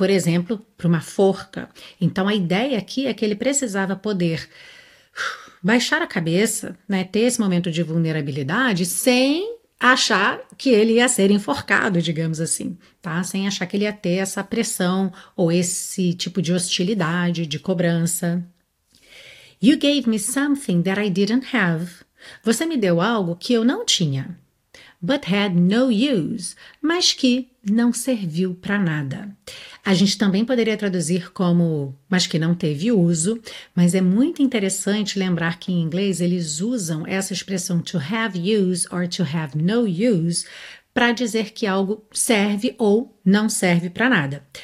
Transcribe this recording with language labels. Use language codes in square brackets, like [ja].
[pt] Por exemplo, para uma forca. Então a ideia aqui é que ele precisava poder baixar a cabeça, né? Ter esse momento de vulnerabilidade sem achar que ele ia ser enforcado, digamos assim, tá? Sem achar que ele ia ter essa pressão ou esse tipo de hostilidade, de cobrança. [en] You gave me something that I didn't have. [pt] Você me deu algo que eu não tinha, [en] but had no use, [pt] mas que não serviu para nada. A gente também poderia traduzir como, mas que não teve uso, mas é muito interessante lembrar que em inglês eles usam essa expressão to have use or to have no use para dizer que algo serve ou não serve para nada.